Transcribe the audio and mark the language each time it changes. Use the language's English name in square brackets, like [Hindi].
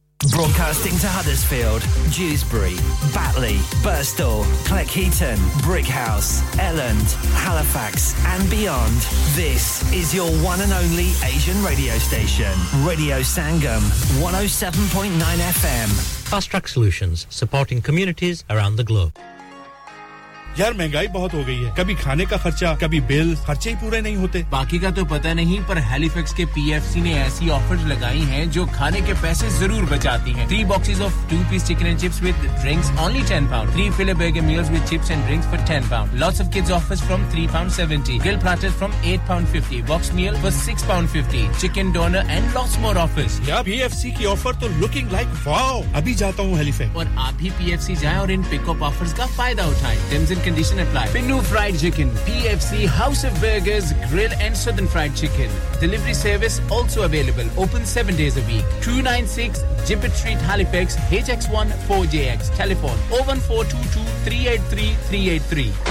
[English] Broadcasting to Huddersfield, Dewsbury, Batley, Birstall, Cleckheaton, Brickhouse, Elland, Halifax and beyond. This is your one and only Asian radio station. Radio Sangam, 107.9 FM. Fast Track Solutions, supporting communities around the globe. [Hindi] यार महंगाई बहुत हो गई है कभी खाने का खर्चा कभी बिल खर्चे ही पूरे नहीं होते बाकी का तो पता नहीं पर हैलिफैक्स के पीएफसी ने ऐसी ऑफर्स लगाई हैं जो खाने के पैसे जरूर बचाती हैं [English] 3 boxes of 2 piece chicken and chips with drinks only £10 3 fillet burger meals with chips and drinks for £10 lots of kids offers from £3.70 grill platters from £8.50 box meal for £6.50 chicken doner and lots more offers [Hindi] यार PFC की offer तो [English] looking like wow [Hindi] अभी जाता हूं Halifax और आप भी PFC जाएं और इन पिकअप ऑफर्स का फायदा उठाएं [English] condition apply. Pinu Fried Chicken, PFC, House of Burgers, Grill and Southern Fried Chicken. Delivery service also available. Open 7 days a week. 296 Gippet Street, Halifax, HX1 4JX. Telephone 01422 383 383.